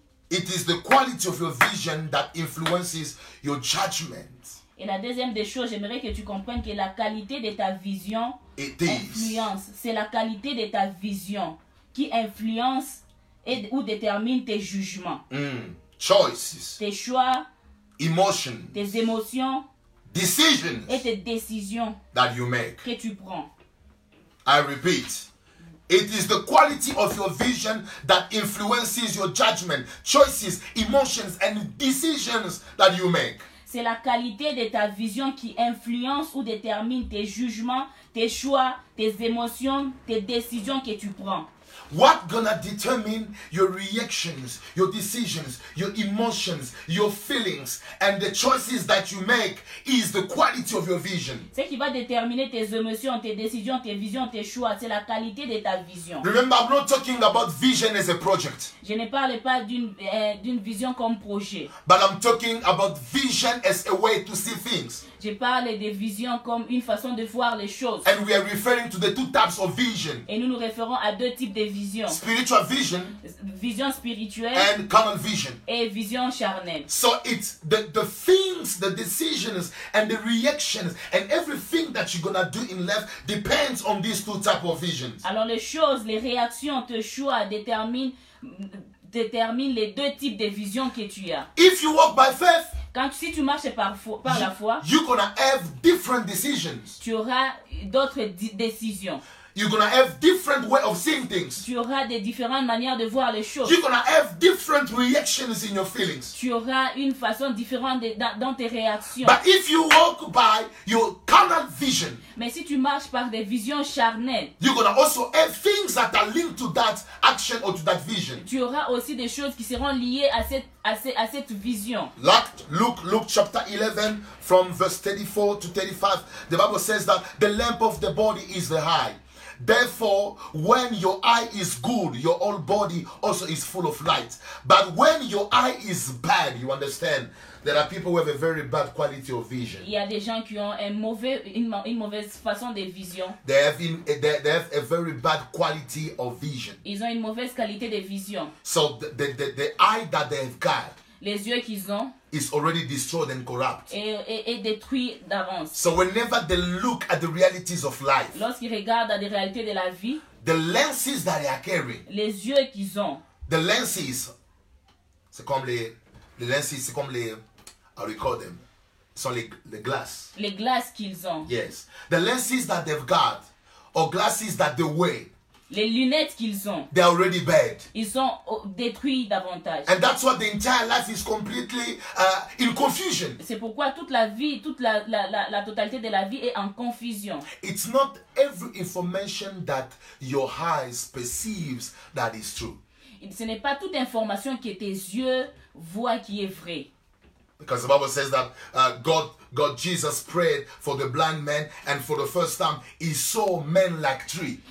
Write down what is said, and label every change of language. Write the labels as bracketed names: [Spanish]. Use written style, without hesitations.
[English] It is the quality of your vision that influences your judgment. [French] Et la deuxième des choses, j'aimerais que tu comprennes que la qualité de ta vision influence. C'est la qualité de ta vision qui influence et ou détermine tes jugements. [English] Choices, [French] tes choix, [English] emotions, [French] tes émotions, [English] decisions, [French] et tes décisions [English] that you make, [French] que tu prends. [English] I repeat, it is the quality of your vision that influences your judgment, choices, emotions and decisions that you make. [French] C'est la qualité de ta vision qui influence ou détermine tes jugements, tes choix, tes émotions, tes décisions que tu prends. [English] What gonna determine your reactions, your decisions, your emotions, your feelings, and the choices that you make is the quality of your vision. [French] Ce qui va déterminer tes émotions, tes décisions, tes visions, tes choix, c'est la qualité de ta vision. [English] Remember, I'm not talking about vision as a project. [French] Je ne parle pas d'une vision comme projet. [English] But I'm talking about vision as a way to see things. [French] Je parle de vision comme une façon de voir les choses. [English] And we are referring to the two types of vision. [French] Et nous nous référons à deux types de vision. [English] Spiritual vision. [French] Vision spirituelle. [English] And carnal vision. [French] Et vision charnelle. [English] So it's the things, the decisions, and the reactions, and everything that you're gonna do in life depends on these two types of visions. [French] Alors les choses, les réactions, tes choix déterminent les deux types de vision que tu as. [English] If you walk by faith, [French] si tu marches par la foi, [English] you're gonna have different decisions. [French] Tu auras d'autres décisions. [English] You're gonna have different way of seeing things. [French] Tu auras des différentes manières de voir les choses. [English] You're gonna have different reactions in your feelings. [French] Tu auras une façon différente dans tes réactions. [English] But if you walk by your carnal vision, [French] mais si tu marches par des visions charnelles, [English] you're gonna also have things that are linked to that action or to that vision. [French] Tu auras aussi des choses qui seront liées à cette vision. [English] Luke chapter 11 from verse 34 to 35, the Bible says that the lamp of the body is the eye. Therefore, when your eye is good, your whole body also is full of light. But when your eye is bad, you understand, there are people who have a very bad quality of vision. [French] Il y a des gens qui ont une mauvaise façon de vision. [English] They have a very bad quality of vision. [French] Ils ont une mauvaise qualité de vision. [English] So the eye that they've got, [French] les yeux qu'ils ont, [English] is already destroyed and corrupt. [French] Et détruit d'avance. [English] So whenever they look at the realities of life, [French] lorsqu'ils regardent à des réalités de la vie, [English] the lenses that they are carrying, [French] les yeux qu'ils ont, [English] the lenses, [French] c'est comme les lenses, c'est comme les, [English] how we call them, [French] sont les glaces. Les glaces qu'ils ont. [English] Yes, the lenses that they've got, or glasses that they wear, [French] les lunettes qu'ils ont, [English] they are already bad. [French] Ils sont détruits davantage. [English] And that's why the entire life is completely in confusion. [French] C'est pourquoi toute la vie, toute la totalité de la vie est en confusion. [English] It's not every information that your eyes perceives that is true. [French] Ce n'est pas toute information que tes yeux voient qui est vraie. [English] Because the Bible says that God Jesus prayed for the blind man, and for the first time he saw men like trees.